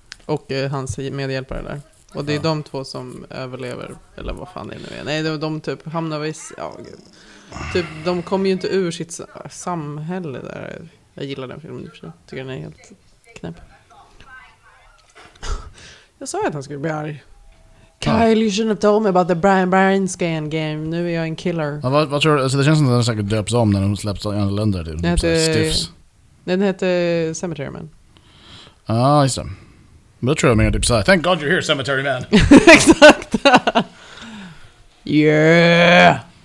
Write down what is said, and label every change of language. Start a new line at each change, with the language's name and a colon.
Swedish: Och hans medhjälpare där. Och det är ja. De två som överlever, eller vad fan det nu är. Nej, de typ hamnar vid, ja gud. Typ, de kommer ju inte ur sitt samhälle där. Jag gillar den filmen, jag tycker den är helt knäpp. Jag sa att han skulle bli arg.
English: Kyle, you shouldn't have told me about the Brainscan game.
Swedish: Nu är jag en killer. Ja, vad tror du? Alltså, det känns som att den säkert döps om när de släpps av andra länder. Typ. Den heter Cemetery Man. Ah, just det. Men det tror jag mer typ såhär.
English: Thank God you're here, Cemetery Man.
Swedish: Exakt. Yeah.